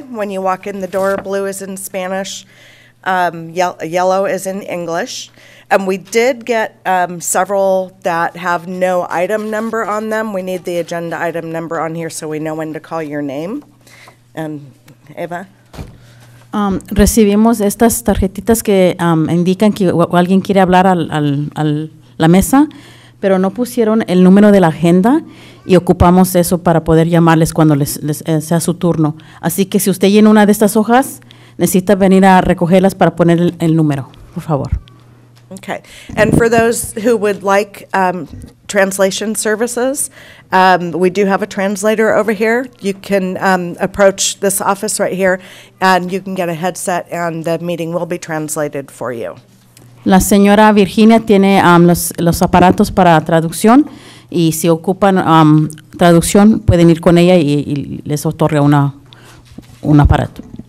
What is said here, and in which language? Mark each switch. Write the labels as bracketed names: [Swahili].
[English] When you walk in the door, blue is in Spanish, yellow is in English. And we did get several that have no item number on them. We need the agenda item number on here so we know when to call your name. And Eva? [Spanish] Recibimos estas tarjetitas que indican que alguien quiere hablar al la mesa, pero no pusieron el número de la agenda, y ocupamos eso para poder llamarles cuando les sea su turno. Así que si usted llena una de estas hojas, necesita venir a recogerlas para poner el número, por favor. [English] Okay, and for those who would like translation services, we do have a translator over here. You can approach this office right here, and you can get a headset, and the meeting will be translated for you. [Spanish] La señora Virginia tiene los aparatos para traducción y si ocupan traducción pueden ir con ella y les otorga un aparato.